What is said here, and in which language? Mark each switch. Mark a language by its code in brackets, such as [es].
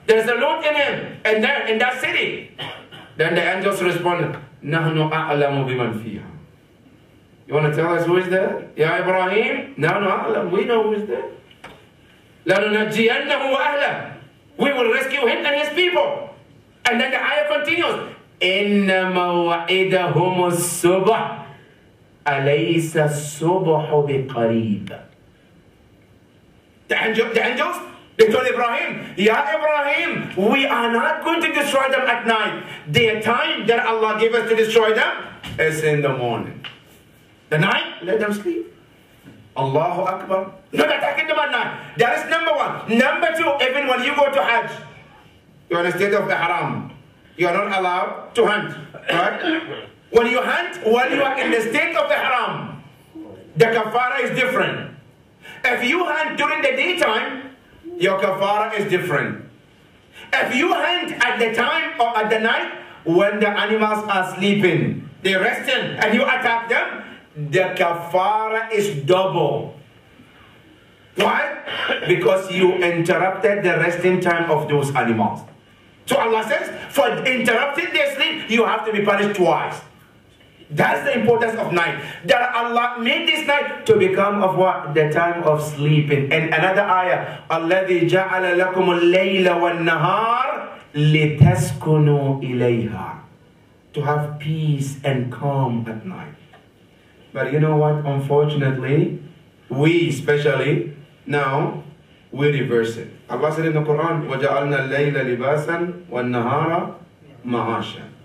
[en] There's a Lut in him, and there, in that city. Then the angels responded, [ar] "Nahnu a'lamu biman fiha." [en] You want to tell us who is there? Ya Ibrahim? [ar] "Nahnu a'lamu." [en] We know who is there. [ar] "لَنُنَجِّيَنَّهُ وَأَهْلَهُ." [en] We will rescue him and his people. And then the ayah continues, [ar] "إِنَّ مَوْعِدَهُمُ الصُّبْحُ أَلَيْسَ الصُّبْحُ بِقَرِيبٍ." [en] The angels, they told Ibrahim, "Ya Ibrahim, we are not going to destroy them at night. The time that Allah gave us to destroy them is in the morning. The night, let them sleep." Allahu Akbar. Not attacking them at night. That is number one. Number two, even when you go to Hajj, you're in a state of ihram. You are not allowed to hunt, right? When you hunt, when you are in the state of ihram, the kafara is different. If you hunt during the daytime, your kafara is different. If you hunt at the time or at the night, when the animals are sleeping, they're resting, and you attack them, the kafara is double. Why? Because you interrupted the resting time of those animals. So Allah says, for interrupting their sleep, you have to be punished twice. That's the importance of night. That Allah made this night to become of what? The time of sleeping. And another ayah, [ar] "الَّذِي جَعَلَ لَكُمُ اللَّيْلَ وَالنَّهَارَ لِتَسْكُنُوا إِلَيْهَا." [en] To have peace and calm at night. But you know what? Unfortunately, we especially, now, we reverse it. Allah said in the Quran, [ar] "وَجَعَلْنَا اللَّيْلَ لِبَاسًا وَالنَّهَارَ مَعَاشًا."